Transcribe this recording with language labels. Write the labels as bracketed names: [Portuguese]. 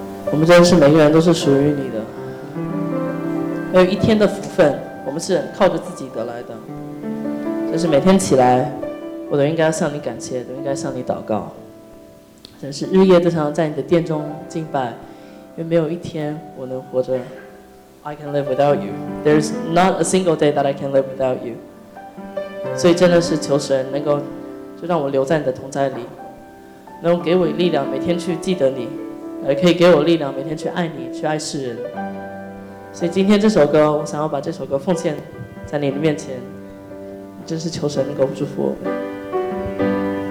[Chinese] 我们真是每个人都是属于你的，没有一天的福分，我们是靠着自己得来的。真是每天起来，我都应该向你感谢，都应该向你祷告。真是日夜都想要在你的殿中敬拜，因为没有一天我能活着。 [English] I can live without you. There's not a single day that I can live without you. [Chinese] 所以真的是求神能够，就让我留在你的同在里。能给我力量每天去记得你，也可以给我力量每天去爱你，去爱世人。所以今天这首歌，我想要把这首歌奉献在你的面前，真是求神能够祝福我们。